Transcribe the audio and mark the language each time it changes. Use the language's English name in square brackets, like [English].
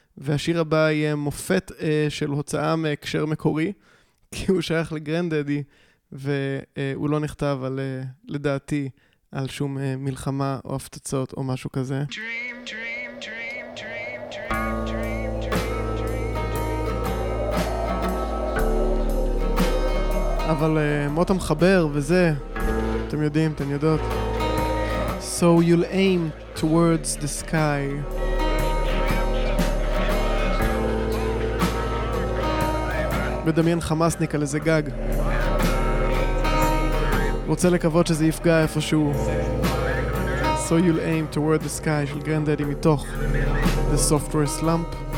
[Hebrew] והשיר הבא יהיה מופת של הוצאה מהקשר מקורי, כי הוא שייך לגרנדדי, והוא לא נכתב על, לדעתי, על שום מלחמה או הפצצות או משהו כזה. [English] Dream, dream, dream, dream, dream. [Hebrew] אבל מות המחבר וזה, אתם יודעים, אתם יודעות. [English] So you'll aim towards the sky. [Hebrew] מדמיין חמאסניק על איזה גג, רוצה לקוות שזה יפגע איפשהו. [English] So you'll aim toward the sky [Hebrew] של גרנדדי מתוך [English] The Software Slump.